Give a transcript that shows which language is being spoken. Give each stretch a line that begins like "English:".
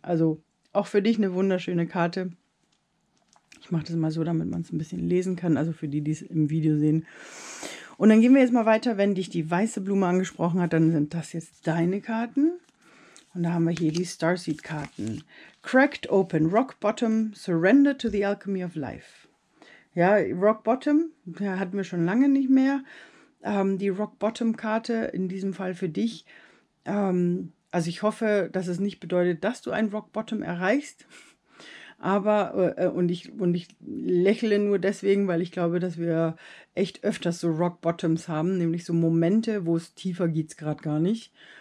German: Also auch für dich eine wunderschöne Karte. Ich mache das mal so, damit man es ein bisschen lesen kann, also für die, die es im Video sehen. Und dann gehen wir jetzt mal weiter. Wenn dich die weiße Blume angesprochen hat, dann sind das jetzt deine Karten. Und da haben wir hier die Starseed-Karten.
English: Cracked open, rock bottom, surrender to the alchemy of life.
German: Ja, Rock Bottom, ja, hatten wir schon lange nicht mehr. Die Rock Bottom Karte in diesem Fall für dich. Also ich hoffe, dass es nicht bedeutet, dass du ein Rock Bottom erreichst. Aber und ich lächle nur deswegen, weil ich glaube, dass wir echt öfters so Rock Bottoms haben, nämlich so Momente, wo es tiefer geht's gerade gar nicht.